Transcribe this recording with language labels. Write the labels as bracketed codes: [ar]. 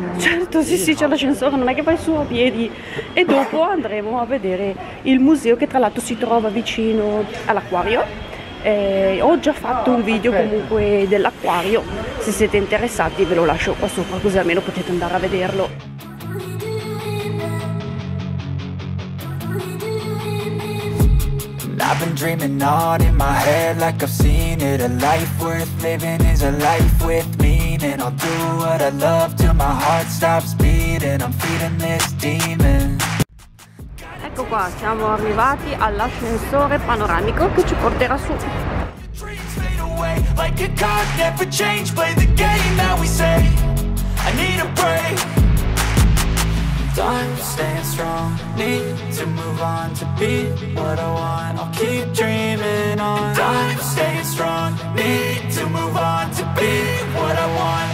[it] Certo, sì, c'è l'ascensore, non è che vai su a piedi. E dopo andremo a vedere il museo, che tra l'altro si trova vicino all'acquario. Ho già fatto un video comunque dell'acquario, se siete interessati ve lo lascio qua sopra, così almeno potete andare a vederlo. [en] I've been dreaming on in my head like I've seen it. A life worth living is a life with meaning. I'll do what I love till my heart stops beating. I'm feeding this demon. [it] Ecco qua, siamo arrivati all'ascensore panoramico che ci porterà su. [en] Dreams fade away like a card, never change. Play the game that we say. I need a break. I'm staying strong, need to move on to be what I want. I'll keep dreaming on. I'm staying strong, need to move on to be what I want.